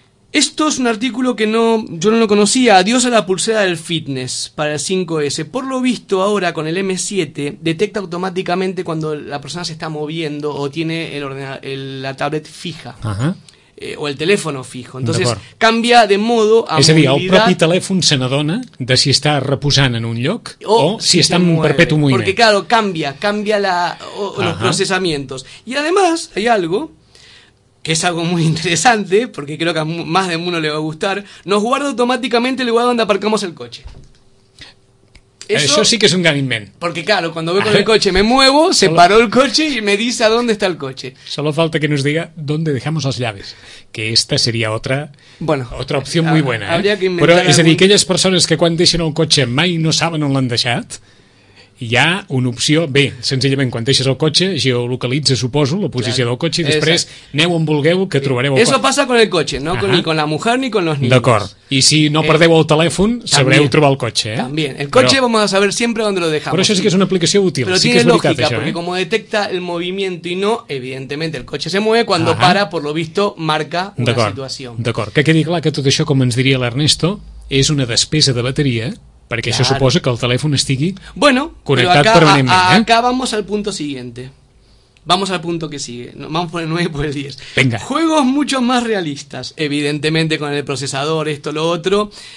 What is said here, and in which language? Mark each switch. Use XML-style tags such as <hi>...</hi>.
<es>Esto es un artículo que yo no lo conocía. Adiós a la pulsera del fitness para el 5S. Por lo visto ahora con el M7 detecta automáticamente cuando la persona se está moviendo o tiene la tablet fija. Ajá. O el teléfono fijo. Entonces cambia de modo a</es> <ca>movilidad. És a dir, el propi telèfon se n'adona de si està reposant en un lloc o si està en un perpetu moviment.</ca> <es>Porque claro, cambia los procesamientos. Y además hay algo que es algo muy interesante, porque creo que a más de uno le va a gustar, nos guarda automáticamente el lugar donde aparcamos el coche. Eso sí que es un gran invento. Porque claro, cuando voy con el coche me muevo, se paró el coche y me dice a dónde está el coche. Solo falta que nos diga dónde dejamos las llaves, que esta sería otra opción muy buena. Habría que inventar.</es> <ca>Però és a dir, aquelles persones que quan deixen el cotxe mai no saben on l'han deixat, hi ha una opció, bé, senzillament quan deixes el cotxe, geolocalitza, suposo, la posició del cotxe i després aneu on vulgueu que trobareu</ca> <es>el cotxe. Eso pasa con el cotxe, no? Ni con la mujer ni con los niños.</es> <ca>D'acord. I si no perdeu el telèfon, sabreu trobar el cotxe, eh?</ca> <es>También. El cotxe vamos a saber siempre dónde lo dejamos.</es> <ca>Però això sí que és una aplicació útil. Però sí que és</ca> <es>lógica,</es> <ca>veritat, això,</ca> <es>porque como detecta el movimiento y no, evidentemente el cotxe se mueve cuando para, por lo visto, marca una situación.</es> <ca>D'acord. Que quedi clar que tot això, com ens diria l'Ernesto, és una despesa de bateria. Perquè això suposa que el telèfon estigui connectat permanentment.</ca> <es>Bueno, acá vamos al punto siguiente. Vamos al punto que sigue. Vamos por el 9 por el 10. Venga. Juegos mucho más realistas, evidentemente con el procesador, esto, lo otro.</es>